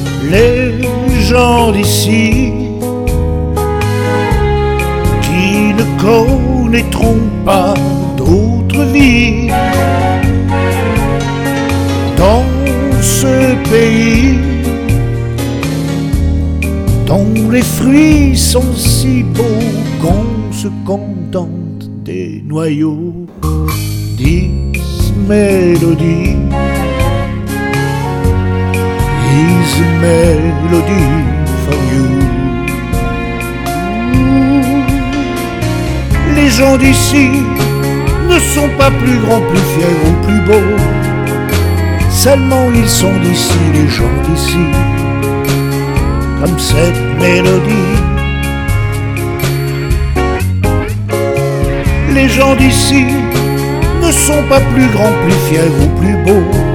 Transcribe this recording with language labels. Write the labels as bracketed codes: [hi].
[fr] Les gens d'ici qui ne connaîtront pas d'autre vie dans ce pays dont les fruits sont si beaux qu'on se contente des noyaux. [en] This melody is a melody for you. [fr] Les gens d'ici ne sont pas plus grands, plus fiers ou plus beaux. Seulement ils sont d'ici, les gens d'ici. Comme cette mélodie, les gens d'ici ne sont pas plus grands, plus fiers ou plus beaux.